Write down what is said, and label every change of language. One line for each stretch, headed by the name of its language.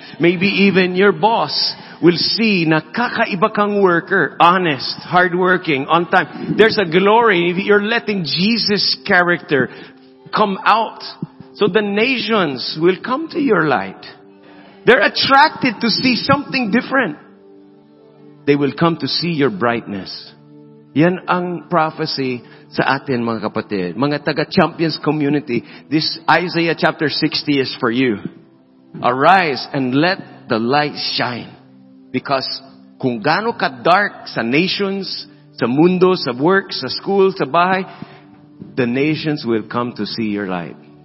English: Maybe even your boss will see
Filipino: na kakaiba kang worker,
English: honest, hardworking, on time. There's a glory if you're letting Jesus' character come out. So the nations will come to your light. They're attracted to see something different. They will come to see your brightness.
Filipino: Yan ang prophecy sa atin, mga kapatid. Mga taga-Champions community, this Isaiah chapter 60 is for you.
English: Arise and let the light shine. Because
Filipino: kung gaano ka dark sa nations, sa mundo, sa work, sa school, sa bahay,
English: the nations will come to see your light.